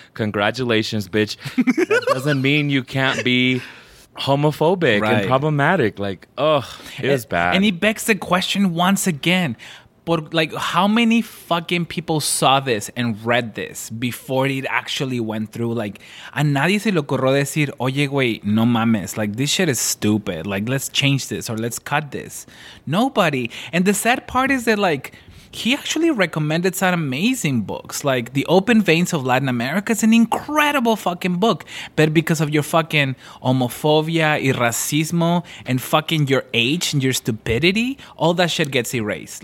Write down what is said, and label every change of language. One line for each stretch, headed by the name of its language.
English: Congratulations, bitch. That doesn't mean you can't be homophobic right. and problematic. Like, ugh, it was bad. And he begs the question once again. But, like, how many fucking people saw this and read this before it actually went through? Like,
Spanish: a nadie se le ocurrió decir, oye, güey, no mames.
English: Like, this shit is stupid. Like, let's change this or let's cut this. Nobody. And the sad part is that, like, he actually recommended some amazing books. Like, The Open Veins of Latin America is an incredible fucking book. But because of your fucking homophobia y racismo and fucking your age and your stupidity, all that shit gets erased.